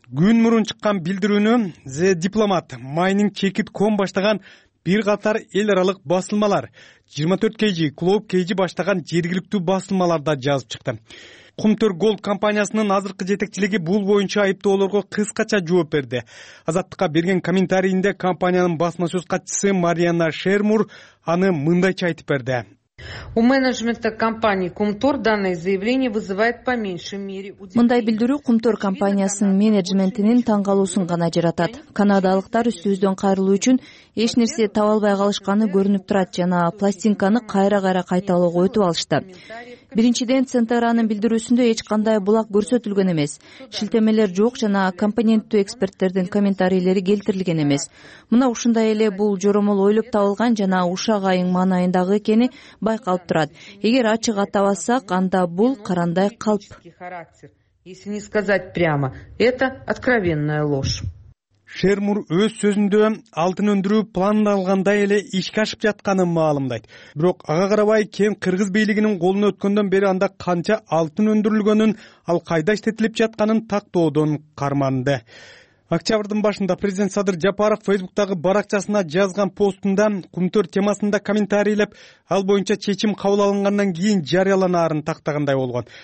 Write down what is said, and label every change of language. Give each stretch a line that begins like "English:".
Kyrgyz: Күн мурун чыккан билдирүүнү The Diplomat, Mining.com баштаган бир катар эл аралык басылмалар, 24KG, Globe.kg баштаган жергиликтүү басылмаларда жазып чыкты. Кумтор Голд компаниясынын азыркы жетекчилиги бул боюнча айыптоолорго кыскача жооп берди. Азаттыкка берген комментарийинде компаниянын басма сөз катчысы Марианна Шермур аны мындайча айтып берди:
Russian: У менеджмента компании Кумтор данное заявление вызывает по меньшей мере.
Kyrgyz: Мындай билдирүү Кумтор компаниясынын менеджментинин таң калуусун гана жаратат. Канадалыктар үстүбүздөн кайрылуу үчүн эч нерсе таба албай калышканы көрүнүп турат жана пластинканы кайра-кайра кайталоого өтүп алышты. Биринчиден, Центеранын билдирүүсүндө эч кандай булак көрсөтүлгөн эмес. Шилтемелер жок жана компоненттүү эксперттердин комментарийлери келтирилген эмес. Мына ушундай эле бул жоромол ойлоп табылган жана ушак айың маанайындагы экени байкалып турат. Эгер ачык атабасак, анда бул карандай калп.
Russian: Если не сказать прямо, это откровенная ложь.
Kyrgyz: Шермур өз сөзүндө алтын өндүрүү пландалгандай эле ишке ашып жатканын маалымдайт. Бирок ага карабай, кен кыргыз бийлигинин колуна өткөндөн бери анда канча алтын өндүрүлгөнүн, ал кайда иштетилип жатканын тактоодон карманды. Октябрдын башында президент Садыр Жапаров Facebook-тагы баракчасына жазган постунда Кумтор темасында комментарийлеп, ал боюнча чечим кабыл алынгандан кийин жарыяланаарын тактагандай болгон.